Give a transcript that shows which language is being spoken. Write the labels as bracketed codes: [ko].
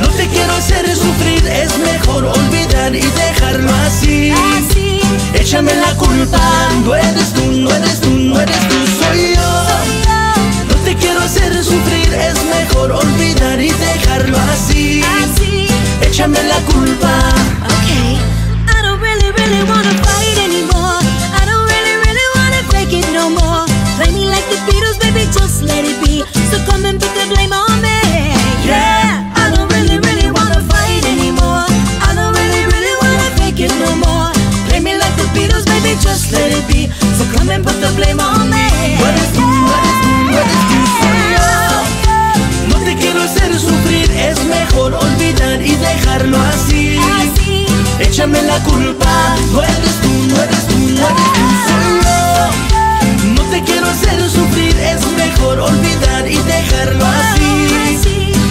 [es] No te quiero hacer sufrir, es mejor olvidar y dejarlo así. Así. Échame la culpa. No eres tú, no eres tú, no eres tú, soy yo. Soy yo. No te quiero hacer sufrir, es mejor olvidar y dejarlo así. Así. Échame la culpa. [en] Okay. I don't really, really wanna fight anymore. I don't really, really wanna fake it no more. Play me like the Beatles, baby, just let it be. So come and put the blame on me. Yeah. I don't really, really wanna fight anymore. I don't really, really wanna fake it no more. Play me like the Beatles, baby, just let it be. So come and put the blame on me. What is you, what is you, what is you, [es] soy yo. No te quiero hacer sufrir, es mejor olvidar y dejarlo así. Échame la culpa, no eres tú, no eres tú, no eres tú, soy yo. No te quiero hacer sufrir, es mejor olvidar y dejarlo así.